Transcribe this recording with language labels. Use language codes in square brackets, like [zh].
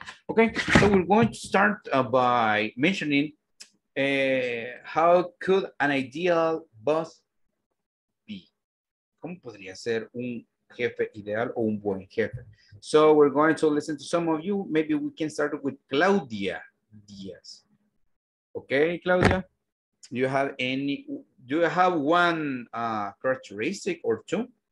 [en] Okay, so we're going to start by mentioning how could an ideal boss be? [es] ¿Cómo podría ser un jefe ideal o un buen jefe? [en] So we're going to listen to some of you. Maybe we can start with Claudia Diaz. Okay, Claudia, do you have one characteristic or two?